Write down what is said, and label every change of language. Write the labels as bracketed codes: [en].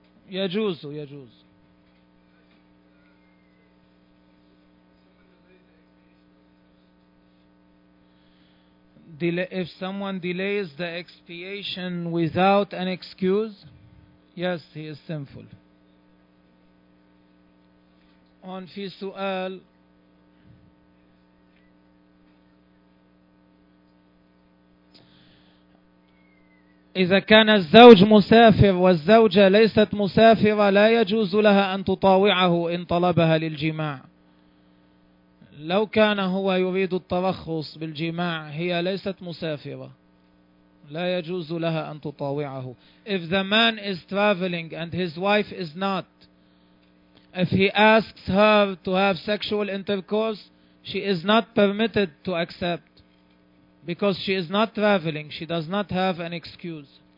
[ar] يجوز [en] if someone delays the expiation without an excuse, yes, he is sinful. [ar] On في سؤال، إذا كان الزوج مسافر والزوجة ليست مسافرة لا يجوز لها أن تطاوعه إن طلبها للجماع. لو كان هو يريد الترخص بالجماع هي ليست مسافرة لا يجوز لها أن تطاوعه. [en] If the man is traveling and his wife is not, if he asks her to have sexual intercourse, she is not permitted to accept because she is not traveling. She does not have an excuse.